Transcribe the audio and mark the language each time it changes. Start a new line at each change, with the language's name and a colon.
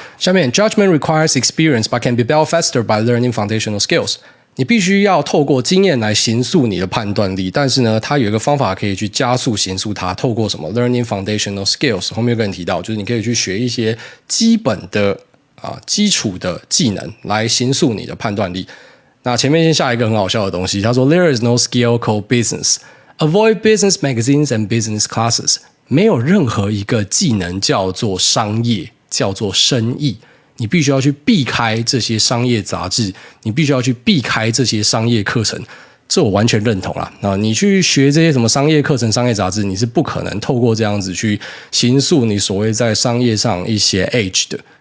Chinese: 下面
English: judgment requires experience but can be built faster by learning foundational skills，
Chinese: 你必须要透过经验来形塑你的判断力，但是呢它有一个方法可以去加速形塑它，透过什么
English: learning foundational skills，
Chinese: 后面有个人提到就是你可以去学一些基本的基础的技能来形塑你的判断力。那前面先下一个很好笑的东西，他说
English: There is no skill called business. Avoid business magazines and business classes.
Chinese: 没有任何一个技能叫做商业，叫做生意。你必须要去避开这些商业杂志，你必须要去避开这些商业课程。这我完全认同啦。那你去学这些什么商业课程、商业杂志，你是不可能透过这样子去形塑你所谓在商业上一些 edge 的。